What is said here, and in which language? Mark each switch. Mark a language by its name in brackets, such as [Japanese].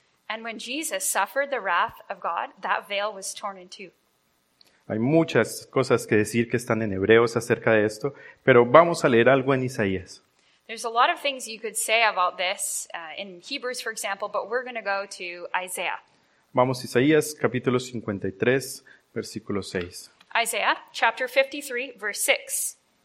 [English] And when Jesus suffered the wrath of God, that veil was torn in two. [Spanish] Hay muchas cosas que decir que están en Hebreos acerca de esto, pero vamos a leer algo en Isaías. [English] There's a lot of things you could say about this in Hebrews, for example, but we're going to go to Isaiah. [Spanish] Vamos a Isaías, capítulo 53, versículo 6. [English] Isaiah, chapter 53, verse 6.